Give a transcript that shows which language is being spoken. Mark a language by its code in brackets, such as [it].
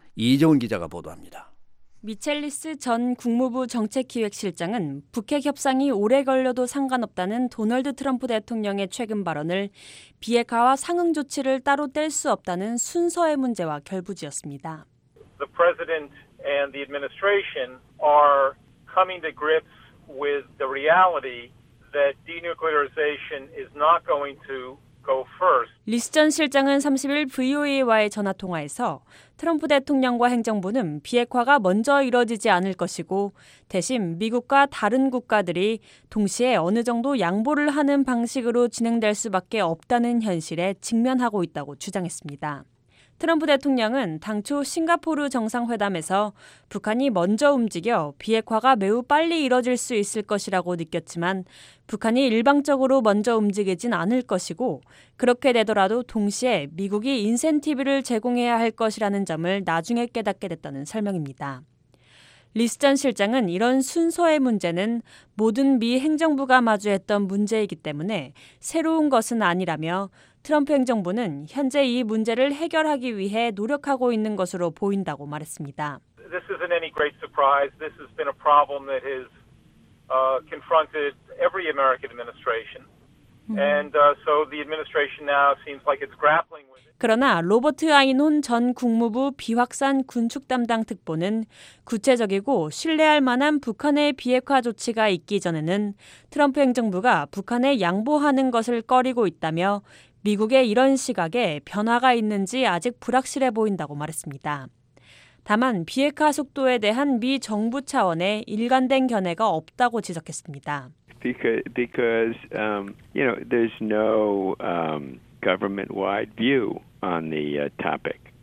[ko] 이정훈 기자가 보도합니다. 미첼리스 전 국무부 정책기획실장은 북핵 협상이 오래 걸려도 상관없다는 도널드 트럼프 대통령의 최근 발언을 비핵화와 상응 조치를 따로 뗄 수 없다는 순서의 문제와 결부지었습니다. [en] The president and the administration are coming to grips with the reality that denuclearization is not going to [ko] 리스 전 실장은 30일 VOA와의 전화통화에서 트럼프 대통령과 행정부는 비핵화가 먼저 이뤄지지 않을 것이고 대신 미국과 다른 국가들이 동시에 어느 정도 양보를 하는 방식으로 진행될 수밖에 없다는 현실에 직면하고 있다고 주장했습니다. 트럼프 대통령은 당초 싱가포르 정상회담에서 북한이 먼저 움직여 비핵화가 매우 빨리 이뤄질 수 있을 것이라고 느꼈지만 북한이 일방적으로 먼저 움직이진 않을 것이고 그렇게 되더라도 동시에 미국이 인센티브를 제공해야 할 것이라는 점을 나중에 깨닫게 됐다는 설명입니다. 리스 전 실장은 이런 순서의 문제는 모든 미 행정부가 마주했던 문제이기 때문에 새로운 것은 아니라며 트럼프 행정부는 현재 이 문제를 해결하기 위해 노력하고 있는 것으로 보인다고 말했습니다. [en] This isn't any great surprise. This has been a problem that has confronted every American administration. And so the administration now seems like it's grappling with it. [ko] 그러나 로버트 아인혼 전 국무부 비확산 군축 담당 특보는 구체적이고 신뢰할 만한 북한의 비핵화 조치가 있기 전에는 트럼프 행정부가 북한에 양보하는 것을 꺼리고 있다며 미국의 이런 시각에 변화가 있는지 아직 불확실해 보인다고 말했습니다. 다만 비핵화 속도에 대한 미 정부 차원의 일관된 견해가 없다고 지적했습니다. [en] Because there's no government-wide view on the topic.